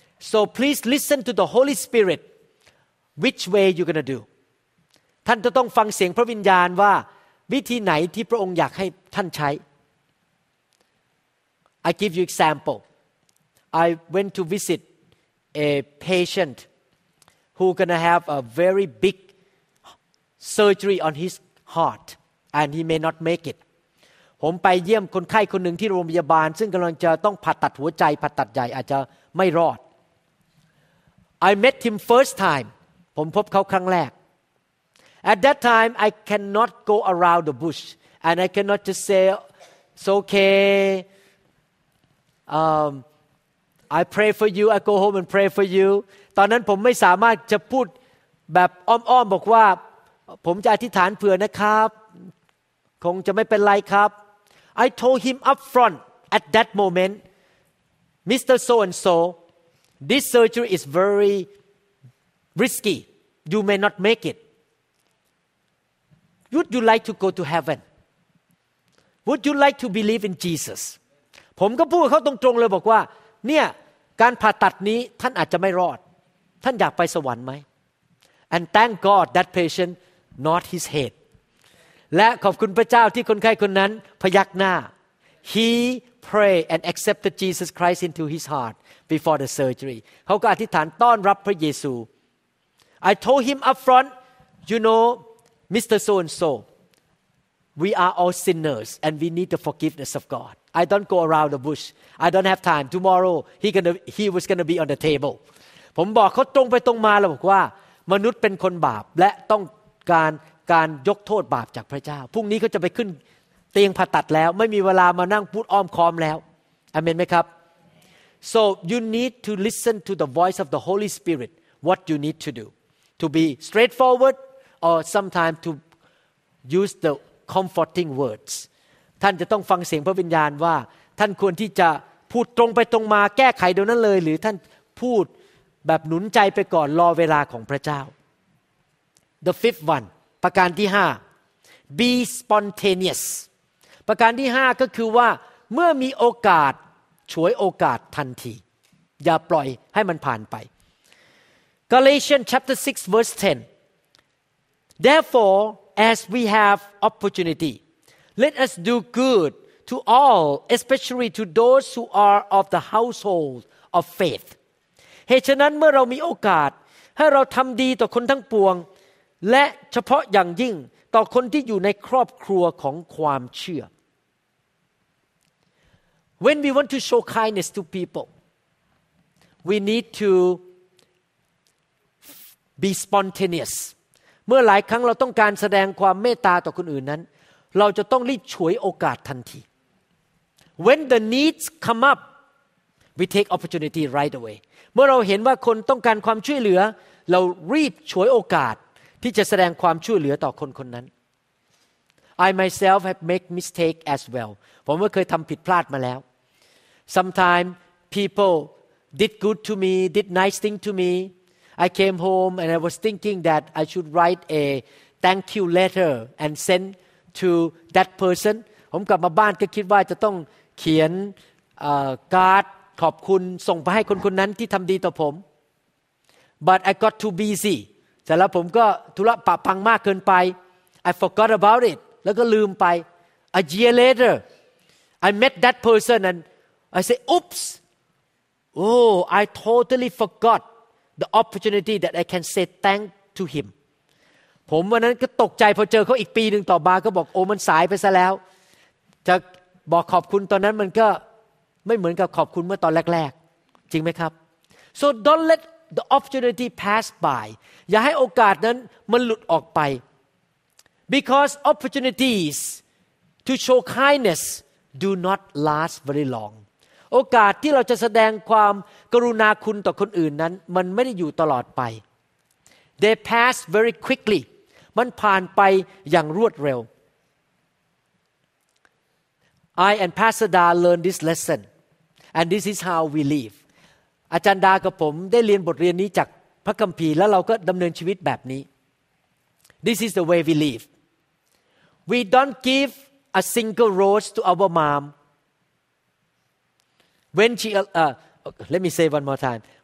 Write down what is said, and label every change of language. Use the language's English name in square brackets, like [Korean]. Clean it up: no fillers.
[English] So please listen to the Holy Spirit which way you're going to do [Thai] ท่านจะต้องฟังเสียงพระวิญญาณว่าวิธีไหนที่พระองค์อยากให้ท่านใช้ [English] I give you example I went to visit a patient who going to have a very big surgery on his heart and he may not make it [Thai] ผมไปเยี่ยมคนไข้คนหนึ่งที่โรงพยาบาลซึ่งกำลังจะต้องผ่าตัดหัวใจผ่าตัดใหญ่อาจจะไม่รอด [English] I met him first time [Thai] ผมพบเขาครั้งแรก [English] At that time I cannot go around the bush and I cannot just say it's okay I pray for you I go home and pray for you [Thai] ตอนนั้นผมไม่สามารถจะพูดแบบอ้อมๆบอกว่าผมจะอธิษฐานเผื่อนะครับคงจะไม่เป็นไรครับ [English] I told him up front at that moment Mr. so and so this surgery is very risky you may not make it would you like to go to heaven would you like to believe in Jesus [Thai] ผมก็พูดเขาตรงๆเลยบอกว่าเนี่ยการผ่าตัดนี้ท่านอาจจะไม่รอดท่านอยากไปสวรรค์ไหม [English] and thank God that patient nod his head [Thai] และขอบคุณพระเจ้าที่คนไข้คนนั้นพยักหน้า [English] He prayed and accepted Jesus Christ into his heart before the surgery. [Thai] เขาก็อธิษฐานต้อนรับพระเยซู [English] I told him up front, you know, Mr. So and so, we are all sinners and we need the forgiveness of God. I don't go around the bush. I don't have time. Tomorrow he was going to be on the table. [Thai] ผมบอกเขาตรงไปตรงมาแล้วบอกว่ามนุษย์เป็นคนบาปและต้องการยกโทษบาปจากพระเจ้าพรุ่งนี้เขาจะไปขึ้นเตียงผ่าตัดแล้วไม่มีเวลามานั่งพูดอ้อมค้อมแล้วอาเมนไหมครับ [English] So you need to listen to the voice of the Holy Spirit what you need to do to be straightforward or sometimes to use the comforting words [Thai] ท่านจะต้องฟังเสียงพระวิญญาณว่าท่านควรที่จะพูดตรงไปตรงมาแก้ไขเดี๋ยวนั้นเลยหรือท่านพูดแบบหนุนใจไปก่อนรอเวลาของพระเจ้า [English] The fifth one [Thai] ประการที่5 [English] be spontaneous [Thai] ประการที่5ก็คือว่าเมื่อมีโอกาสฉวยโอกาสทันทีอย่าปล่อยให้มันผ่านไป [English] Galatians chapter 6 verse 10 Therefore as we have opportunity let us do good to all especially to those who are of the household of faith [Thai] เหตุฉะนั้นเมื่อเรามีโอกาสให้เราทำดีต่อคนทั้งปวงและเฉพาะอย่างยิ่งต่อคนที่อยู่ในครอบครัวของความเชื่อ [English] When we want to show kindness to people we need to be spontaneous [Thai] เมื่อหลายครั้งเราต้องการแสดงความเมตตาต่อคนอื่นนั้นเราจะต้องรีบฉวยโอกาสทันที [English] When the needs come up we take opportunity right away [Thai] เมื่อเราเห็นว่าคนต้องการความช่วยเหลือเรารีบฉวยโอกาสที่จะแสดงความช่วยเหลือต่อคนคนนั้น [English] I myself have made mistake as well [Thai] ผมก็เคยทำผิดพลาดมาแล้ว [English] Sometimes people did good to me did nice thing to me I came home and I was thinking that I should write a thank you letter and send to that person [Thai] ผมกลับมาบ้านก็คิดว่าจะต้องเขียนการ์ดขอบคุณส่งไปให้คนคนนั้นที่ทำดีต่อผม [English] But I got too busy [Thai] แต่แล้วผมก็ธุระปะพังมากเกินไป [English] I forgot about it [Thai] แล้วก็ลืมไป [English] A year later I met that person and I say oops oh I totally forgot the opportunity that I can say thank to him [Thai] ผมวันนั้นก็ตกใจพอเจอเขาอีกปีหนึ่งต่อมาก็บอกโอ้มันสายไปซะแล้วจะบอกขอบคุณตอนนั้นมันก็ไม่เหมือนกับขอบคุณเมื่อตอนแรกๆจริงไหมครับ [English] So don't letThe opportunity passed by. [Thai] อย่าให้โอกาสนั้นมันหลุดออกไป [English] Because opportunities to show kindness do not last very long. [Thai] โอกาสที่เราจะแสดงความกรุณาคุณต่อคนอื่นนั้นมันไม่ได้อยู่ตลอดไป [English] They pass very quickly [Thai] มันผ่านไปอย่างรวดเร็ว [English] I and Pastor Da learned this lesson and this is how we live [Thai] อาจารย์ดากับผมได้เรียนบทเรียนนี้จากพระคัมภีร์แล้วเราก็ดำเนินชีวิตแบบนี้ [English] This is the way we live We don't give a single rose to our momWhen she, let me say one more time.